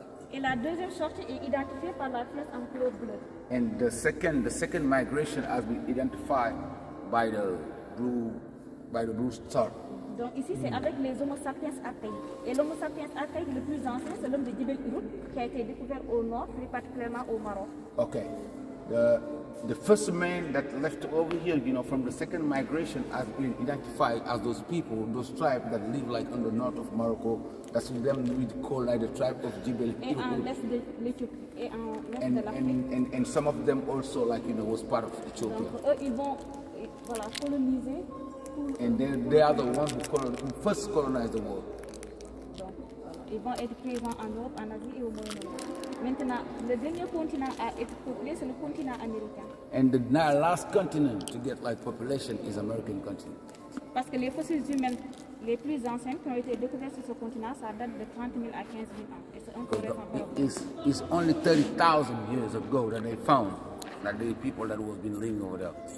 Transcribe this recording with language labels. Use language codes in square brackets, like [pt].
[fr] Et la deuxième sortie est identifiée par la flèche en couleur bleue. [en] And the second migration has been identified by the blue star. [fr] Donc ici c'est avec les Homo sapiens archaïques. Et l'Homo sapiens archaïque le plus ancien, c'est l'homme de Jebel Irhoud qui a été découvert au nord, plus particulièrement au Maroc. [en] Okay. The first man that left over here, you know, from the second migration has been identified as those people, those tribes that live like on the north of Morocco. That's them we call like the tribe of Jebel Irhoud. And some of them also like, you know, was part of Ethiopia. [fr] Donc, eux, ils vont, voilà, coloniser. [en] And they are the ones who first colonized the world. [fr] Ils vont être présents en Europe, en Asie et au Moyen-Orient. Maintenant, le dernier continent à être peuplé, c'est le continent américain. [en] And the last continent to get like population is American continent. [fr] Parce que les fossiles humains les plus anciens qui ont été découverts sur ce continent, ça date de 30 000 à 15 000 ans. Et c'est encore récent. [en] It's only 30,000 years ago that they found like the people that was been living over there.